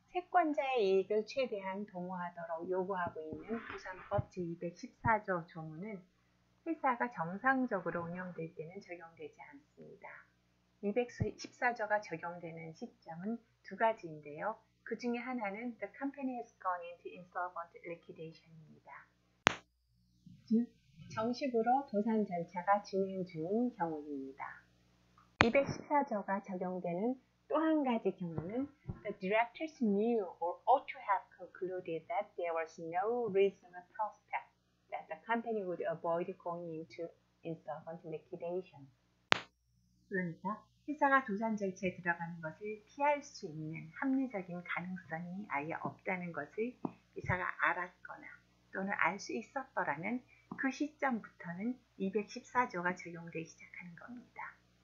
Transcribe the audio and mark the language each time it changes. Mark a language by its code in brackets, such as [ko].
[ko] 채권자의 이익을 최대한 동호하도록 요구하고 있는 부산법 제214조 조문은 회사가 정상적으로 운영될 때는 적용되지 않습니다. 214조가 적용되는 시점은 두 가지인데요. 그 중에 하나는 [en] The company has gone into insolvent liquidation입니다. [ko] 즉, 정식으로 도산 절차가 진행 중인 경우입니다. 214조가 적용되는 또 한 가지 경우는 [en] The directors knew or ought to have concluded that there was no reasonable prospect that the company would avoid going into insolvent liquidation. [ko] 그러니까 회사가 도산 절차에 들어가는 것을 피할 수 있는 합리적인 가능성이 아예 없다는 것을 회사가 알았거나 또는 알수 있었더라면 그 시점부터는 214조가 적용되기 시작하는 겁니다.